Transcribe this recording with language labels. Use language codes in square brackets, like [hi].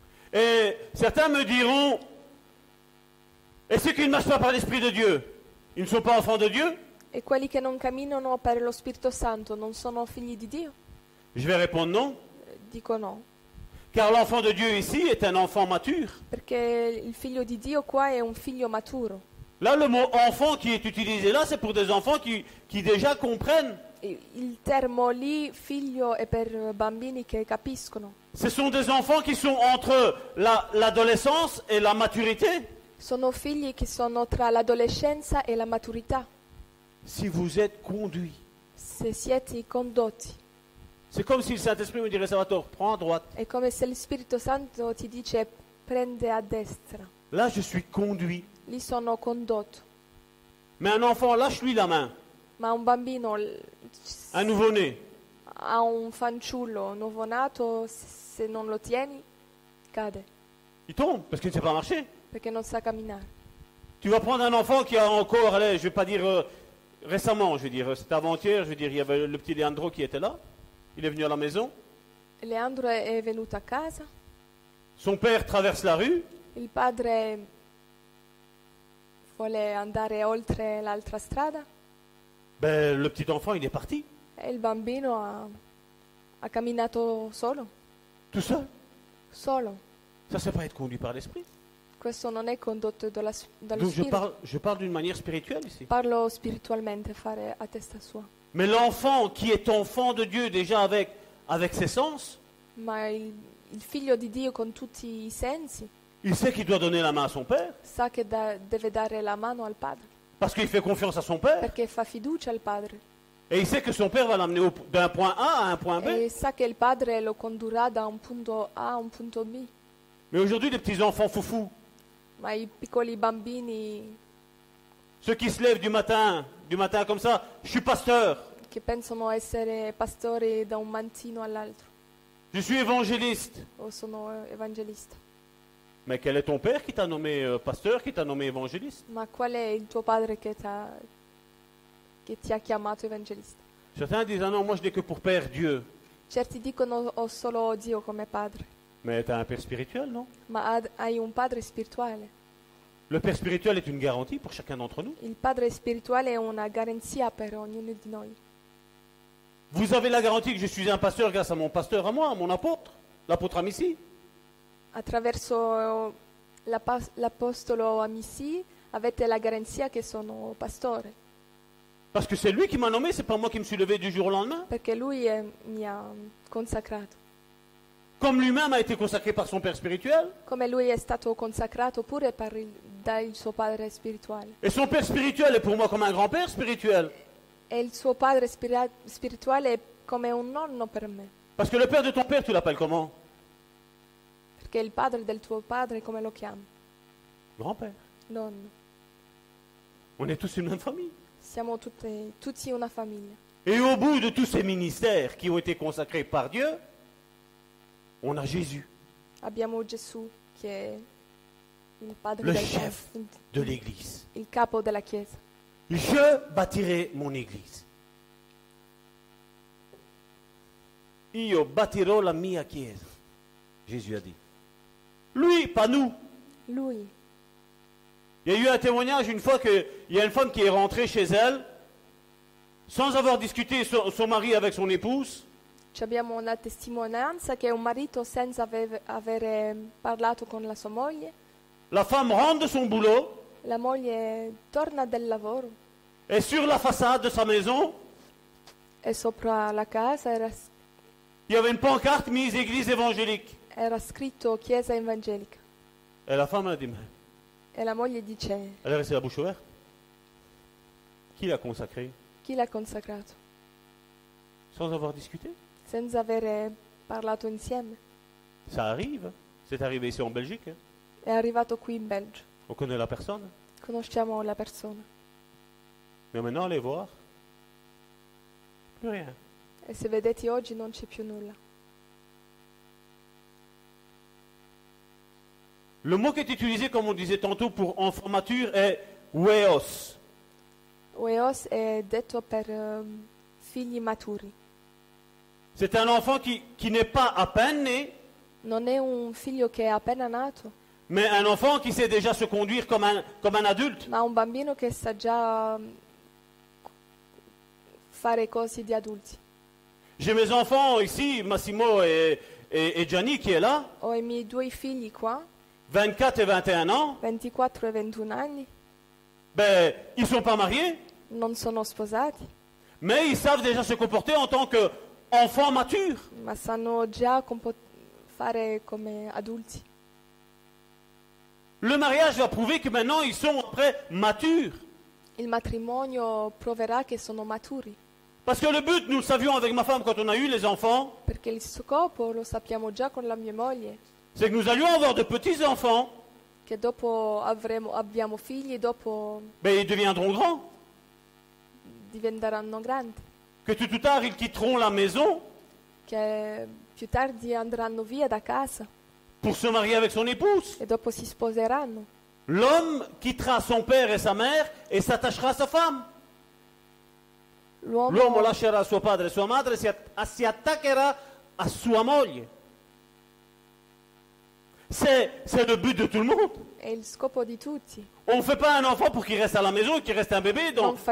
[fr] Et certains me diront, et ceux qui ne marchent pas par l'Esprit de Dieu, ils ne sont pas enfants de Dieu? [it] E quelli che non camminano per lo Spirito Santo non sono figli di Dio? [fr] Je vais répondre non. [it] Dico no. [fr] Car l'enfant de Dieu ici est un enfant mature. [it] Perché il figlio di Dio qua è un figlio maturo. [fr] Là, le mot enfant qui est utilisé là, c'est pour des enfants qui déjà comprennent. [it] Il termo lì figlio è per bambini che capiscono. [fr] Ce sont des enfants qui sont entre l'adolescence et la maturité. [it] Sono figli che sono tra l'adolescenza e la maturità. [fr] Si vous êtes conduits. [it] Se siete condotti. [fr] C'est comme si le Saint-Esprit me dirait, Salvatore, prends à droite. [it] È come se lo Spirito Santo ti dice, prende a destra. [fr] Là, je suis conduit. [it] Lì sono condotto. [fr] Mais un enfant, lâche-lui la main. [it] Ma un bambino. [fr] Un nouveau-né. [it] A un fanciullo, un nuovo-nato, se non lo tieni, cade. [fr] Il tombe, parce qu'il ne sait pas marcher. [it] Perché non sa camminare. [fr] Tu vas prendre un enfant qui a encore, allez, je ne vais pas dire récemment, je veux dire, c'était avant-hier, je veux dire, il y avait le petit Leandro qui était là. Il est venu à la maison. [it] Leandro [fr] est venu à [it] casa. [fr] Son père traverse la rue. [it] Il padre vuole andare oltre l'altra strada. [fr] Ben, le petit enfant, il est parti. [it] Et il bambino ha camminato solo. [fr] Tout seul. [it] Solo. [fr] Ça, c'est pas être conduit par l'esprit. [it] Questo non è condotto dallo spirito. [fr] Je parle d'une manière spirituelle ici. [it] Parlo spiritualmente, fare a testa sua. [fr] Mais l'enfant qui est enfant de Dieu déjà avec ses sens. [it] Ma il figlio di Dio con tutti i sensi. [fr] Il sait qu'il doit donner la main à son père. [it] Sa che deve dare la mano al padre. [fr] Parce qu'il fait confiance à son père. [it] Perché fa fiducia al padre. [fr] Et il sait que son père va l'amener d'un point A à un point B. [it] E sa che il padre lo condurrà da un punto A a un punto B. [fr] Mais aujourd'hui les petits enfants foufou. [it] Ma i piccoli bambini. [fr] Ceux qui se lèvent du matin comme ça, je suis pasteur. [it] Che pensano essere pastori da un mattino all'altro. [fr] Je suis évangéliste. [it] O sono evangelista. [fr] Mais quel est ton père qui t'a nommé pasteur, qui t'a nommé évangéliste? [it] Ma qual è il tuo padre che ti ha chiamato evangelista? [fr] Certains disent ah non, moi je n'ai que pour père Dieu. [it] Certi dicono ho solo Dio come padre. [fr] Mais t'as un père spirituel, non? [it] Ma hai un padre spirituale. [fr] Le père spirituel est une garantie pour chacun d'entre nous. [it] Il padre spirituale è una garanzia per ognuno di noi. [fr] Vous avez la garantie que je suis un pasteur grâce à mon pasteur, à moi, à mon apôtre, l'apôtre Amici. [it] Attraverso l'apostolo Amici, avete la garanzia che sono pastore. [fr] Parce que c'est lui qui m'a nommé, c'est pas moi qui me suis levé du jour au lendemain. [it] Perché lui mi ha consacrato. [fr] Comme lui-même a été consacré par son père spirituel. [it] Come lui è stato consacrato pure par il dal suo padre spirituale. [fr] Et son père spirituel est pour moi comme un grand-père spirituel. [it] E il suo padre spirituale è come un nonno per me. [fr] Parce que le père de ton père, tu l'appelles comment? [it] perché il padre del tuo padre come lo chiami? [fr] Grand-père. [it] Non. [fr] On est tous une même famille. [it] Siamo tutti una famiglia. [fr] Et au bout de tous ces ministères qui ont été consacrés par Dieu, on a Jésus. [it] Abbiamo Gesù che è il padre [fr] le chef de l'Église. [it] Il capo della chiesa. [fr] Je bâtirai mon Église. [it] Io bâtirò la mia chiesa. [fr] Jésus a dit. [it] Lui, pas nous. Lui. [fr] Il y a eu un témoignage une fois qu'il y a une femme qui est rentrée chez elle sans avoir discuté son mari avec son épouse. [it] Ci abbiamo una testimonianza che un marito senza aver parlato con la sua moglie. [fr] La femme rentre de son boulot. [it] La moglie torna del lavoro. [fr] Et sur la façade de sa maison. [it] E sopra la casa era. [fr] Il y avait une pancarte mise Église évangélique. [it] Era scritto chiesa evangelica. [fr] Et la femme a dit. [it] Et la moglie dice. [fr] Elle a resté la bouche ouverte. Qui l'a consacré? [it] Chi l'ha consacrato? [fr] Sans avoir discuté? [it] Senza aver parlato insieme. [fr] Ça arrive. C'est arrivé ici en Belgique. [it] È arrivato qui in Belgio. [fr] On connaît la personne. [it] Conosciamo la persona. [fr] Mais maintenant, allez voir. Plus rien. [it] E se vedete oggi non c'è più nulla. [fr] Le mot qui est utilisé, comme on disait tantôt, pour enfant mature est weos. [it] Weos est detto per figli maturi. [fr] C'est un enfant qui n'est pas à peine né. [it] Non è un figlio che è appena nato. [fr] Mais un enfant qui sait déjà se conduire comme un adulte. [it] Ma un bambino che sa già fare cose di adulti. [fr] J'ai mes enfants ici, Massimo et Gianni qui est là. [it] Ho i miei due figli qua. [fr] 24 et 21 ans. [it] 24 et 21 anni. [fr] Ben, ils sont pas mariés. [it] Non sono sposati. [fr] Mais ils savent déjà se comporter en tant qu'enfants matures. [it] Ma sanno già fare come adulti. [fr] Le mariage va prouver que maintenant ils sont après matures. [it] Il matrimonio proverà che sono maturi. [fr] Parce que le but, nous le savions avec ma femme quand on a eu les enfants. [it] Perché il scopo lo sappiamo già con la mia moglie. [fr] C'est que nous allions avoir de petits enfants. [it] Che dopo abbiamo figli, dopo. [fr] Ben ils deviendront grands. [it] Diventeranno grandi. [fr] Que tout ou tard ils quitteront la maison. [it] Che più tardi andranno via da casa. [fr] Pour se marier avec son épouse. [it] E dopo si sposeranno. [fr] L'homme quittera son père et sa mère et s'attachera à sa femme. [it] L'uomo lascerà suo padre e sua madre e si attaccherà a sua moglie. [fr] C'est le but de tout le monde. [it] È il scopo di tutti. [fr] On ne fait pas un enfant pour qu'il reste à la maison et qu'il reste un bébé dans son